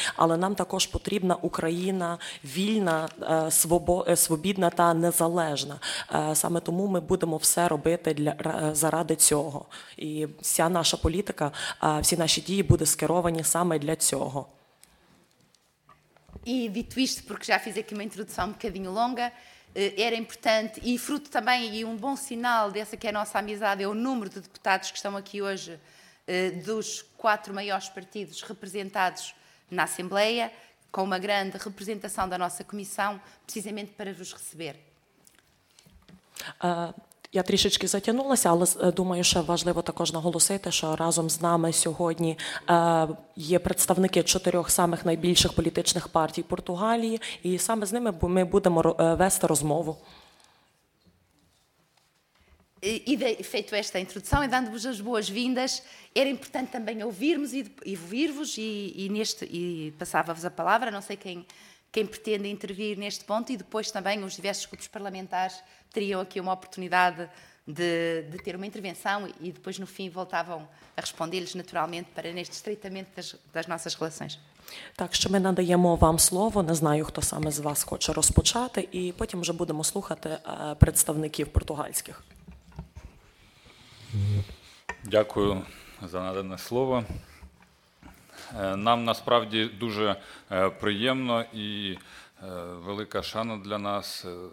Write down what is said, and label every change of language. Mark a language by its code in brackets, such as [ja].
[uk] Але нам також потрібна Україна вільна, свобідна та незалежна. Саме тому ми будемо все робити заради цього. І вся наша політика, всі наші дії будуть скеровані саме для цього. [pt] E dito isto, porque já fiz aqui uma introdução um bocadinho longa, era importante, e fruto também, e um bom sinal dessa que é a nossa amizade, é o número de deputados que estão aqui hoje, dos quatro maiores partidos representados na Assembleia, com uma grande representação da nossa Comissão, precisamente para vos receber. [uk] Я трішечки затягнулася, але думаю, що важливо також наголосити, що разом з нами сьогодні є представники чотирьох самих найбільших політичних партій Португалії, і саме з ними ми будемо вести розмову. [pt] E feito esta introdução e dando-vos as boas-vindas, era importante também ouvirmos e ouvir-vos e passava-vos a palavra, não sei quem pretende intervir neste ponto e depois também os diversos grupos parlamentares teriam aqui uma oportunidade de ter uma intervenção e depois no fim voltavam a responder-lhes naturalmente para neste estreitamento das nossas relações. [uk] Так що ми надаємо вам слово, не знаю, хто саме з вас хоче розпочати і потім вже будемо слухати представників португальських. Дякую за надане слово. Нам насправді дуже приємно і велика шана для нас.